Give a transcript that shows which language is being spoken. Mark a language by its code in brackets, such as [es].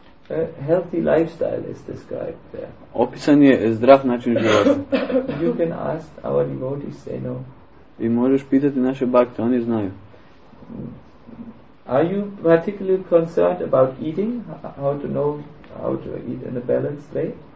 [en] A healthy lifestyle is described there. [sr] Opisan je zdrav način života. [en] You can ask our devotees, they know. [sr] I možeš pitati naše bhakte, oni znaju. [en] Are you particularly concerned about eating? How to know how to eat in a balanced way?